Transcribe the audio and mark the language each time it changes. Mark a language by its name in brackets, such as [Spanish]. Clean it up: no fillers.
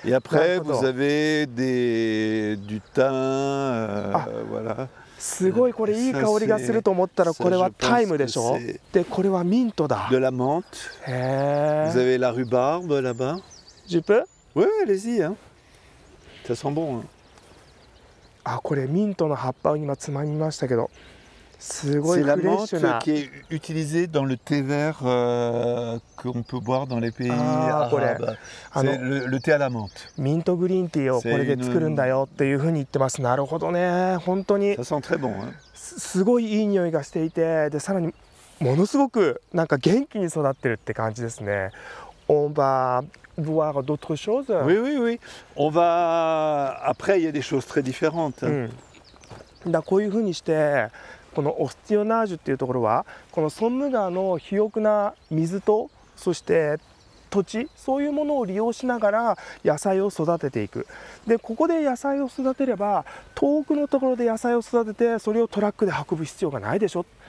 [French] Et après, vous avez du thym, voilà。 [Japanese] すごい、これいい香りがすると思ったら、これはタイムでしょ、でこれはミントだ。 [French] De la menthe. [Japanese] へえ。 [French] Vous avez la rhubarbe là-bas? Je peux? Oui, allez-y. Hein. Ça sent bon. Hein. [Japanese] あ、これミントの葉っぱを今つまみましたけど。すごいフレッシュな。 [French] C'est la menthe qui est utilisée dans le thé vert qu'on peut boire dans les pays arabes. C'est le thé à la menthe. [Japanese] ミントグリーンティーをこれで作るんだよっていうふうに言ってます。なるほどね。本当に。 [French] Ça sent très bon, hein. [Japanese] すごいいい匂いがしていて、でさらにものすごくなんか元気に育ってるって感じですね。 [French] On va voir d'autres choses. Oui, oui, oui. On va. Après, il y a des choses très différentes. [Japanese] だこういうふうにして。このオスティオナージュっていうところは、このソンム川の肥沃な水と、そして土地、そういうものを利用しながら野菜を育てていく。で、ここで野菜を育てれば、遠くのところで野菜を育てて、それをトラックで運ぶ必要がないでしょ。